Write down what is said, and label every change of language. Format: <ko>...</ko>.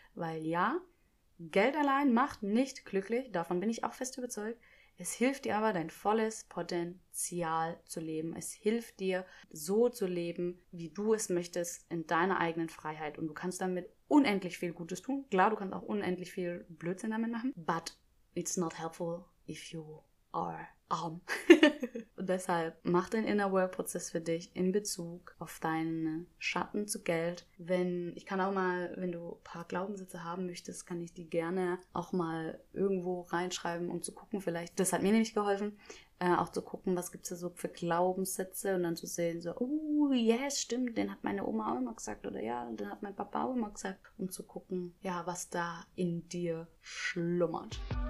<de>Weil ja, Geld allein macht nicht glücklich, davon bin ich auch fest überzeugt. Es hilft dir aber, dein volles Potenzial zu leben. Es hilft dir, so zu leben, wie du es möchtest, in deiner eigenen Freiheit. Und du kannst damit unendlich viel Gutes tun. Klar, du kannst auch unendlich viel Blödsinn damit machen.</de> <en>But it's not helpful if you are</en> <de>arm. Und deshalb mach den Inner Work Prozess für dich in Bezug auf deinen Schatten zu Geld. Wenn du ein paar Glaubenssätze haben möchtest, kann ich die gerne auch mal irgendwo reinschreiben, um zu gucken, vielleicht, das hat mir nämlich geholfen, auch zu gucken, was gibt es da so für Glaubenssätze und dann zu sehen, so, yes, stimmt, den hat meine Oma auch immer gesagt oder ja, den hat mein Papa auch immer gesagt, um zu gucken, ja, was da in dir schlummert.</de>